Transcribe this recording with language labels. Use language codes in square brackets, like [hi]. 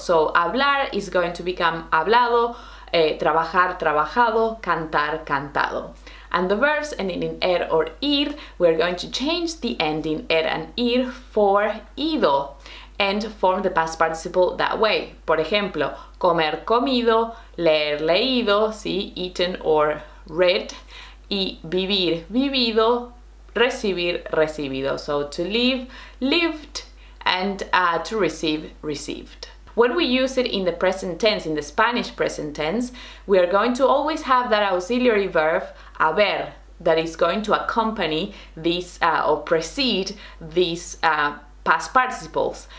[en] So hablar is going to become hablado, trabajar, trabajado, cantar, cantado. And the verbs ending in "-er" or "-ir", we're going to change the ending "-er" and "-ir" for "-ido", and form the past participle that way. [es] Por ejemplo, comer comido, leer leído, ¿sí? [en] Eaten or read, [es] y vivir vivido, recibir recibido. [en] So to live, lived, and to receive, received. When we use it in the present tense, in the Spanish present tense, we are going to always have that auxiliary verb haber that is going to accompany this or precede these past participles.